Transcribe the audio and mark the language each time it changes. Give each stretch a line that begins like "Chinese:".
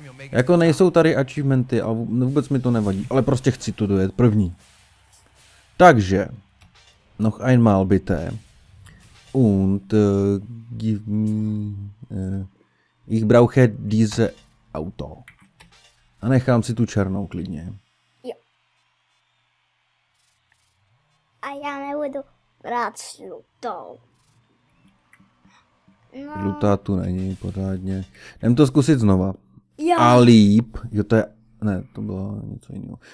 Czech: Jako nejsou tady achievementy a vůbec mi to nevadí, ale prostě chci to dojet první.
German: Takže, noch einmal bitte. Und gib mi, ich brauche diese Auto.
Czech: A nechám si tu černou klidně. Jo. A já nebudu brát žlutou. No. Žlutá tu není pořádně. Jdem to zkusit znova. Jo. A líp, jo to je, ne, to bylo něco jiného.